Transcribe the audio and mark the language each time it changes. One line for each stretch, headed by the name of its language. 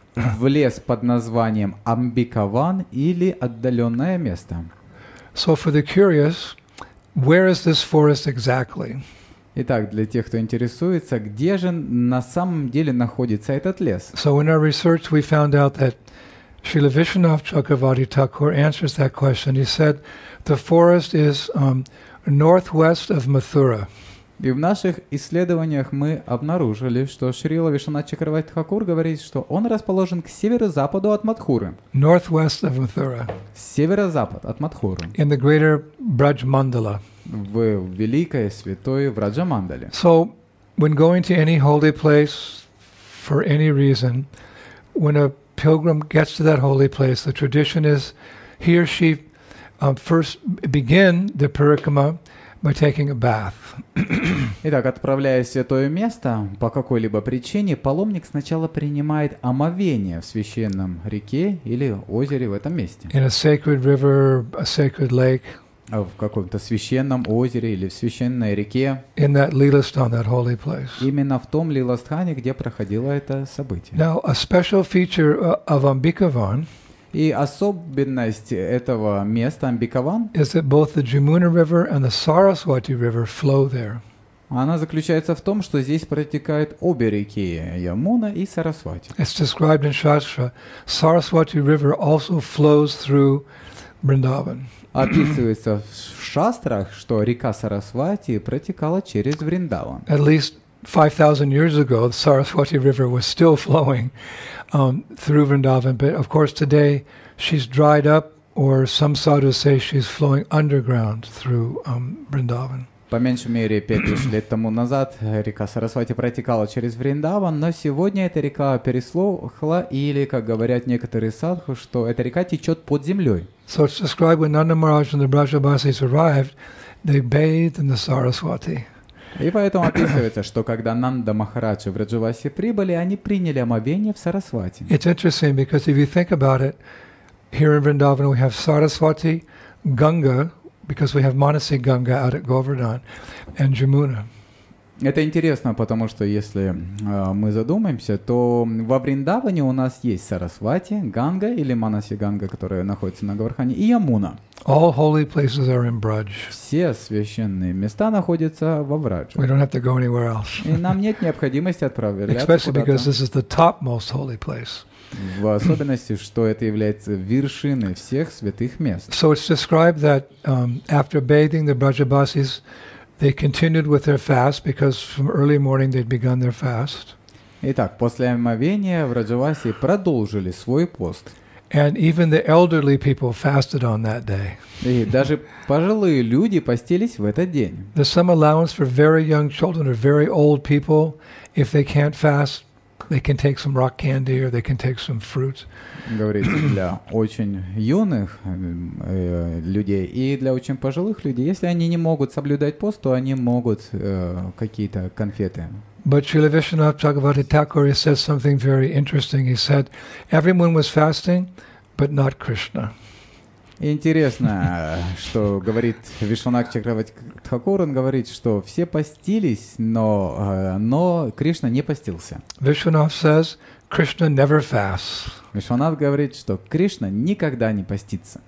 Russian: В лес под названием Амбикаван или отдаленное место.
English: So for the curious, where is this forest exactly?
Russian: Итак, для тех, кто интересуется, где же на самом деле находится этот лес?
English: So in our research we found out that Srila Vishwanath Chakravarti Thakur answers that question. He said, "The forest is northwest of Mathura."
Russian: И в наших исследованиях мы обнаружили, что Шрила Вишванат Чакравати Тхакур говорит, что он расположен к северо-западу от Матхуры.
English: Northwest of Mathura.
Russian: Северо-запад от Матхуры.
English: In the greater Braj Mandala.
Russian: В великой святой Враджамандале.
English: So, when going to any holy place for any reason, when a pilgrim gets to that holy place, the tradition is he or she first begin the parikrama by taking a bath.
Russian: Итак, отправляясь в святое место, по какой-либо причине, паломник сначала принимает омовение в священном реке или озере в этом месте.
English: In a sacred river, a sacred lake.
Russian: В каком-то священном озере или в священной реке.
English: In that Lilasthan, that holy place.
Russian: Именно в том Лиластхане, где проходило это событие.
English: Now, a special feature of Ambikavan.
Russian: И особенность этого места Амбикаван.
English: Is that both the Jamuna River and the Saraswati River flow there.
Russian: Она заключается в том, что здесь протекают обе реки Ямуна и Сарасвати.
English: It's described in Shastra. Saraswati River also flows through Vrindavan.
Russian: Описывается в шастрах, что река Сарасвати протекала через Вриндаван.
English: At least 5,000 years ago, the Saraswati River was still flowing through Vrindavan, but of course today she's dried up, or some sadhus say she's flowing underground through Vrindavan.
Russian: По меньшей мере 5000 лет тому назад река Сарасвати протекала через Вриндаван, но сегодня эта река пересохла, или, как говорят некоторые садху, что эта река течет под землей.
English: So it's described when Nanda Maharaj and the Brajabasis arrived, they bathed in the Saraswati.
Russian: И поэтому описывается, что когда Нанда Махарадж и Враджаваси прибыли, они приняли омовение в Сарасвати.
English: It's interesting because if you think about it, here in Vrindavan we have Saraswati, Ganga, because we have Manasi Ganga out at Govardhan, and Jamuna.
Russian: Это интересно, потому что если мы задумаемся, то во Вриндаване у нас есть Сарасвати, Ганга или Манаси Ганга, которая находится на Говардхане, и Ямуна.
English: All holy places are in Braj.
Russian: Все священные места находятся во Врадже.
English: We don't have to go anywhere else.
Russian: И нам нет необходимости отправляться куда-то.
English: Especially because this is the topmost holy place.
Russian: В особенности, что это является вершиной всех святых мест.
English: So it's described that after bathing the Brajabasis, they continued with their fast because from early morning they'd begun their fast.
Russian: Итак, после омовения в Раджавасе продолжили свой пост.
English: And even the elderly people fasted on that day.
Russian: И даже пожилые люди постились в этот день.
English: There's some allowance for very young children or very old people. If they can't fast, they can take some rock candy or they can take some fruit.
Russian: Говорит, для очень юных людей и для очень пожилых людей, если они не могут соблюдать пост, то они могут какие-то конфеты.
English: But Srila Vishwanatha Chakravarti Thakur said something very interesting. He said, everyone was fasting, but not Krishna.
Russian: Интересно, что говорит Вишванатха Чакраварти Такур, он говорит, что все постились, но Кришна не постился.
English: Vishwanatha says, Krishna never fasts.
Russian: Вишванатха говорит, что Кришна никогда не постится.